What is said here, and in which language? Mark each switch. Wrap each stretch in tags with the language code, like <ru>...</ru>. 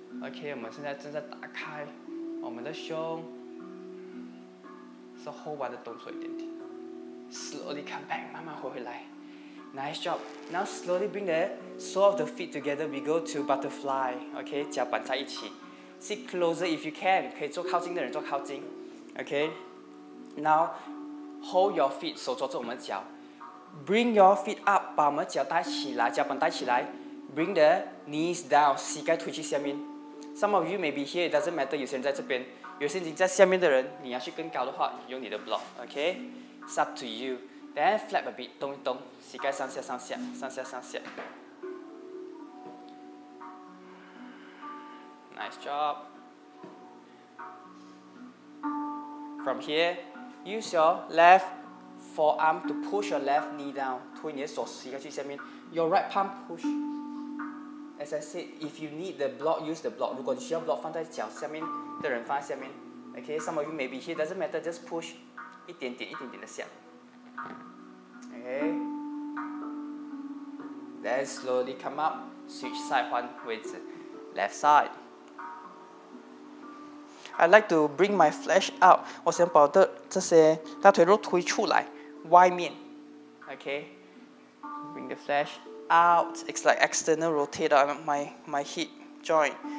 <en>Okay,</en> <zh>我们现在正在打开我们的胸，是后弯的动作一点点。</zh> <en>Slowly come back,</en> <zh>慢慢回来。</zh> <en>Nice job. Now slowly bring the sole of the feet together. We go to butterfly. Okay,</en> <zh>脚板在一起。</zh> <en>Sit closer if you can.</en> <zh>可以坐靠近的人坐靠近。</zh> <en>Okay. Now hold your feet.</en> <zh>手抓住我们的脚。</zh> <en>Bring your feet up.</en> <zh>把我们的脚带起来，脚板带起来。</zh> <en>Bring the knees down,</en> <zh>膝盖推去下面。</zh> <en>Some of you may be here, it doesn't matter,</en> <zh>有些人在这边。有些已经在下面的人，你要去更高的话，用你的 block, okay?</zh> <en>It's up to you. Then flap a bit,</en> <zh>动一动，膝盖上下上下，上下上下。</zh> <en>Nice job. From here, use your left forearm to push your left knee down.</en> <zh>推你的手膝盖去下面。</zh> <en>Your right palm push. As I said, if you need the block, use the block.</en> <zh>如果你需要 block 放在脚下面的人放在下面。</zh> <en>Okay, some of you may be here, doesn't matter, just push</en> <zh>一点点一点点的下。</zh> <en>Okay. Then slowly come up, switch side</en> <zh>换位置</zh> <en>left side. I like to bring my flesh out.</en> <zh>我想把的这些大腿肉推出来外面。</zh> <en>Okay. Bring the flesh out. It's like external rotate on my hip joint.</en>